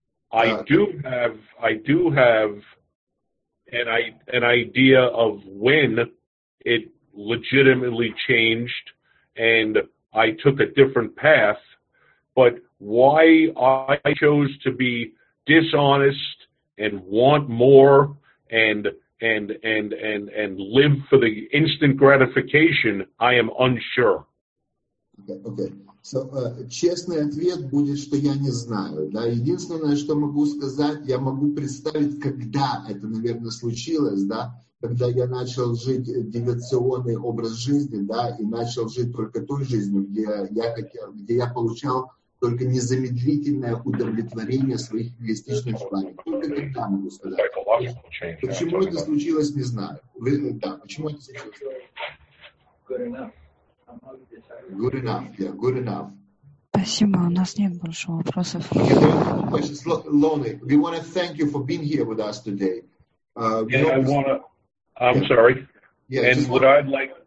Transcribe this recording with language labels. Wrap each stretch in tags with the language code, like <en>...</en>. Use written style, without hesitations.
<en>I do have an idea of when it legitimately changed and I took a different path, but why I chose to be dishonest and want more and live for the instant gratification, I am unsure. Okay. So,</en> <ru>честный ответ будет, что я не знаю. Да? Единственное, что могу сказать, я могу представить, когда это, наверное, случилось, да, когда я начал жить девиационный образ жизни, да, и начал жить только той жизнью, где я получал только незамедлительное удовлетворение своих эгоистичных желаний. Только тогда могу сказать. Почему это случилось, не знаю. Почему это случилось?</ru> <en>Good enough, yeah, good enough.</en> <ru>Спасибо, у нас нет больше вопросов.</ru> <en>Лони, we want to thank you for being here with us today. Yeah, I'm sorry. Yeah, and what I'd like</en>